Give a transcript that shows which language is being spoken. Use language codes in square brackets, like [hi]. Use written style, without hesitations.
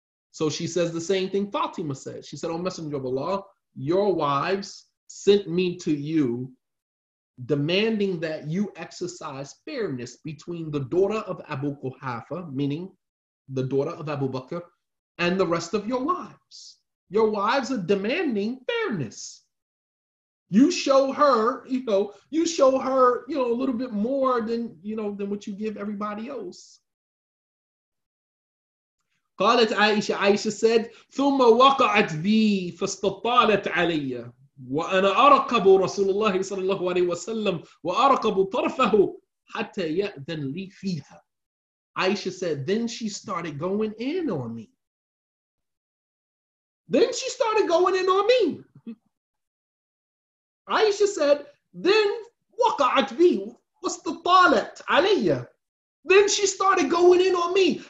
[en] So she says the same thing Fatima said. She said, O Messenger of Allah, your wives sent me to you demanding that you exercise fairness between the daughter of Abu Quhafa, meaning the daughter of Abu Bakr, and the rest of your wives. Your wives are demanding fairness. You show her, you know, you show her, you know, a little bit more than, you know, than what you give everybody else. [ar] قالت عائشة, [en] Aisha said, [ar] ثم وقعت بي فاستطالت علي وأنا أرقب رسول الله صلى الله عليه وسلم وأرقب طرفه حتى يأذن لي فيها. [en] Aisha said, then she started going in on me. Then she started going in on me. Aisha said, then [ar] وقعت بي فاستطالت علي. [en] Then she started going in on me.